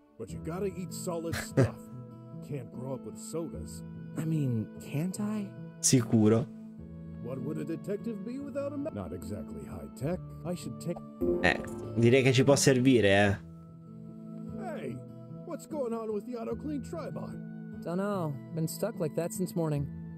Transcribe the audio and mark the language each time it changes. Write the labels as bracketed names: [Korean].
[English] But you gotta eat solid stuff. Can't grow up with sodas. I mean, can't I? [Italian] Sicuro. [English] What would a detective be without a not exactly high tech. I should take [Italian] direi che ci può servire, [English] Hey, what's going on with the autoclean tribot? Dunno, been stuck like that since morning.